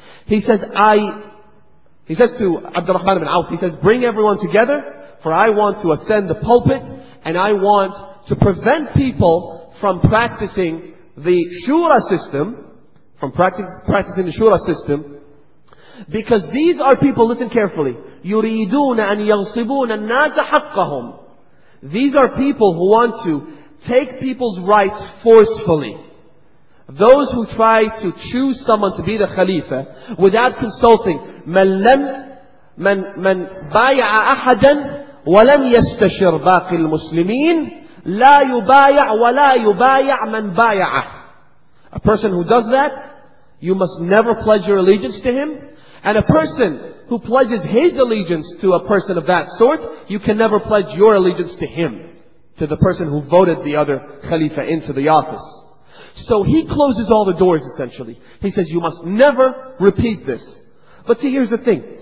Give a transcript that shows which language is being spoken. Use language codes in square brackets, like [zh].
[en] He says to Abdurrahman ibn Auf, he says, bring everyone together, for I want to ascend the pulpit, and I want to prevent people from practicing the Shura system, from practicing the Shura system, because these are people, listen carefully, [ar] يُرِيدُونَ أَن يَغْصِبُونَ النَّاسَ حَقَّهُمْ. [en] These are people who want to take people's rights forcefully. Those who try to choose someone to be the Khalifa without consulting, [ar] مَنْ بَايَعَ أَحَدًا وَلَمْ يَسْتَشِرْ بَاقِي الْمُسْلِمِينَ لَا يُبَايَعْ وَلَا يُبَايَعْ مَنْ بَايَعَ. [en] A person who does that, you must never pledge your allegiance to him. And a person who pledges his allegiance to a person of that sort, you can never pledge your allegiance to him, to the person who voted the other Khalifa into the office. So he closes all the doors essentially. He says, you must never repeat this. But see, here's the thing.